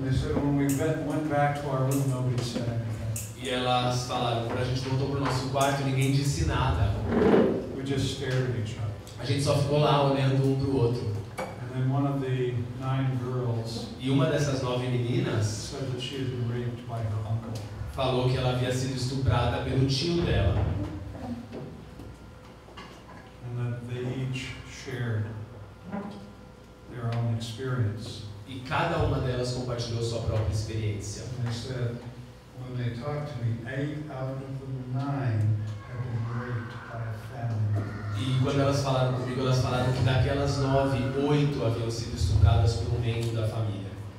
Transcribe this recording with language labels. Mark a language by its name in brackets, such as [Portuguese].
[English] They said, when we went back to our room, nobody said anything. [Portuguese] E elas falaram, quando a gente voltou para o nosso quarto, ninguém disse nada. [English] We just stared at each other. [Portuguese] A gente só ficou lá olhando um para o outro. [English] And then one of the 9 girls, [Portuguese] e uma dessas 9 meninas, [English] said that she had been raped by her uncle. [Portuguese] Falou que ela havia sido estuprada pelo tio dela. [English] And that they each shared their own experience. [Portuguese] E cada uma delas compartilhou sua própria experiência. [English] And they said, when they talked to me, 8 out of the 9 had been raped by a family member. [Portuguese] E quando elas falaram comigo, elas falaram que daquelas 9, 8 haviam sido estupradas por um membro da família.